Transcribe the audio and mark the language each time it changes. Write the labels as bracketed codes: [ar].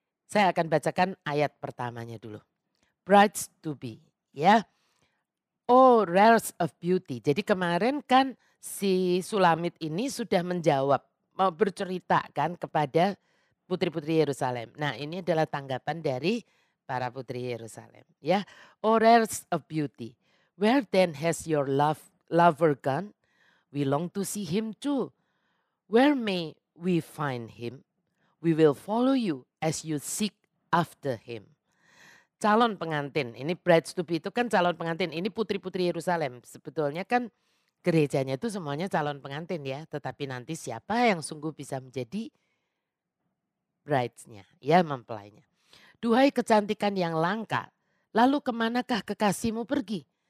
[id] Saya akan bacakan ayat pertamanya dulu. [en] Brides to be [id] ya. [en] Oh, rares of beauty. [id] Jadi kemarin kan si Sulamit ini sudah menjawab, mau bercerita kan kepada putri-putri Yerusalem. Nah, ini adalah tanggapan dari para putri Yerusalem ya. [en] Oh, rares of beauty, where then has your lover gone? We long to see him too. Where may we find him? We will follow you as you seek after him. [id] Calon pengantin, ini [en] brides to be [id] itu kan calon pengantin, ini putri-putri Yerusalem. Sebetulnya kan gerejanya itu semuanya calon pengantin ya, tetapi nanti siapa yang sungguh bisa menjadi brides-nya ya, mempelainya. Duhai kecantikan yang langka, lalu kemanakah kekasihmu pergi?